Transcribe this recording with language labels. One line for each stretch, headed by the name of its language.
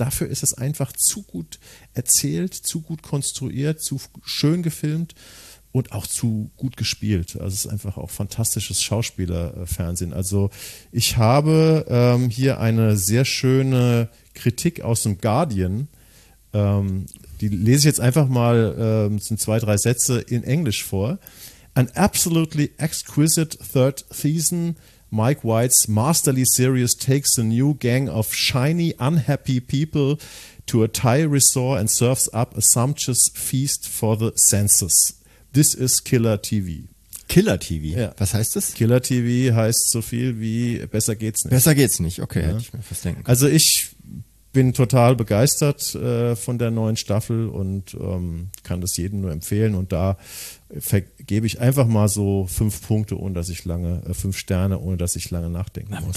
German: Dafür ist es einfach zu gut erzählt, zu gut konstruiert, zu schön gefilmt und auch zu gut gespielt. Also es ist einfach auch fantastisches Schauspielerfernsehen. Also ich habe hier eine sehr schöne Kritik aus dem Guardian. Die lese ich jetzt einfach mal, sind 2-3 Sätze in Englisch vor.
English: An absolutely exquisite third season. Mike White's masterly series takes a new gang of shiny, unhappy people to a Thai resort and serves up a sumptuous feast for the senses. This is Killer TV.
German: Killer TV? Ja. Was heißt das? Killer TV heißt so viel wie besser geht's nicht. Besser geht's nicht, okay. Ja. Hätte ich mir fast denken können. Also ich bin total begeistert von der neuen Staffel und kann das jedem nur empfehlen. Und da vergebe ich einfach mal so 5 Punkte, ohne dass ich lange, 5 Sterne, ohne dass ich lange nachdenken muss.